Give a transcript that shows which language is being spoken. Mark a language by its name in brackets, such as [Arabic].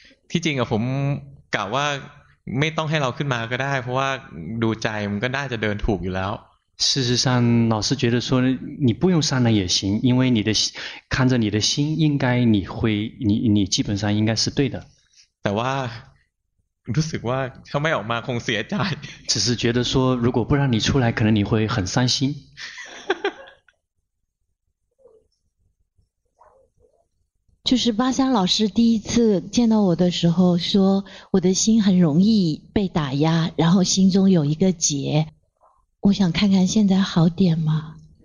[Thai] ที่จริงอะผมกล่าวว่าไม่ต้องให้เราขึ้นมาก็ได้เพราะว่าดูใจมันก็น่าจะเดินถูกอยู่แล้ว [Chinese] 事实上老师觉得说你不用善了也行，因为你的看着你的心应该你会你基本上应该是对的。 [Thai] แต่ว่ารู้สึกว่าถ้าไม่ออกมาคงเสียใจ。 [Chinese] 只是觉得说如果不让你出来可能你会很伤心。就是巴香老师第一次见到我的时候说我的心很容易被打压，然后心中有一个结，我想看看现在好点吗？